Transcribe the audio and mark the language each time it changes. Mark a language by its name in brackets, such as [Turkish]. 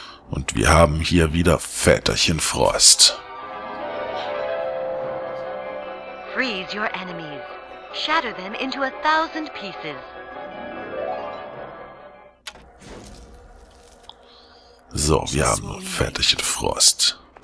[German] Und wir haben hier wieder Väterchen Frost. [English] Freeze your enemies. Shatter them into a thousand pieces. [German] So, wir haben Väterchen Frost.